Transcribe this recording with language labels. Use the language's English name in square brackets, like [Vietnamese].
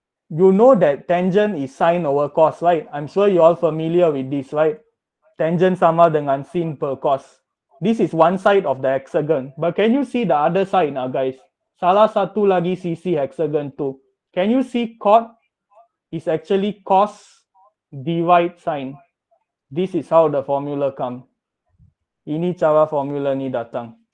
[English] You know that tangent is sine over cos, right? I'm sure you're all familiar with this, right? [Malay] Tangent sama dengan sin per cos. [English] This is one side of the hexagon. But can you see the other side, guys? [Malay] Salah satu lagi sisi hexagon tu. [English] Can you see cot is actually cos divide sine? This is how the formula come. [Malay] Ini cara formula ni datang.